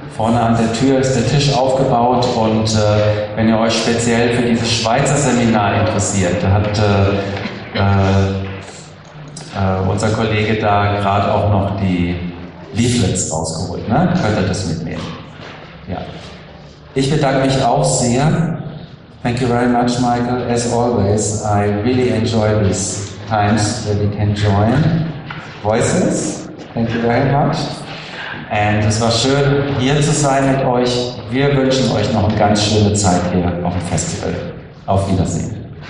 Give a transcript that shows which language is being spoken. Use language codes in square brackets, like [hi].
[de] Vorne an der Tür ist der Tisch aufgebaut und wenn ihr euch speziell für dieses Schweizer Seminar interessiert, da hat unser Kollege da gerade auch noch die Leaflets rausgeholt, ne? Könnt ihr das mitnehmen? Ja. Ich bedanke mich auch sehr. [en] Thank you very much, Michael. As always, I really enjoy these times where we can join voices. Thank you very much. [de] And es war schön, hier zu sein mit euch. Wir wünschen euch noch eine ganz schöne Zeit hier auf dem Festival. Auf Wiedersehen.